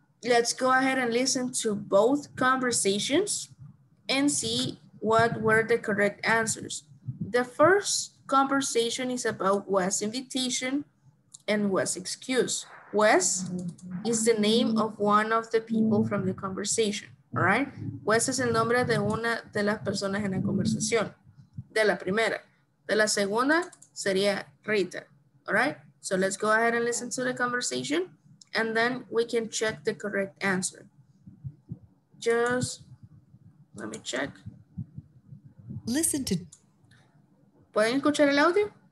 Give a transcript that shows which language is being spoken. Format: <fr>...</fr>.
<en>let's go ahead and listen to both conversations and see what were the correct answers. The first conversation is about Wes' invitation and Wes' excuse. Wes is the name of one of the people from the conversation, all right?</en> <es>Wes es el nombre de una de las personas en la conversación, de la primera. De la segunda sería Rita,</es> <en>all right? So let's go ahead and listen to the conversation and then we can check the correct answer. Just let me check. Listen to.</en> <es>¿Pueden escuchar el audio?</es>